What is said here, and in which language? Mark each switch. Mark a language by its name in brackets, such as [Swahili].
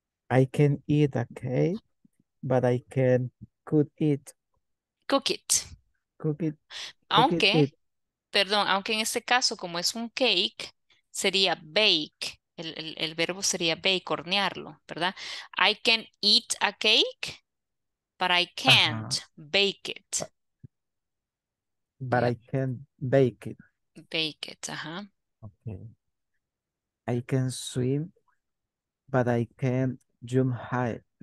[English] I can eat a cake, but I can cook it. [Spanish] Aunque, perdón, aunque en este caso, como es un cake, sería bake. El verbo sería bake, hornearlo, ¿verdad? [English] I can eat a cake, but I can't bake it. But I can bake it. Bake it, uh-huh. Okay. I can swim, but I can't jump high.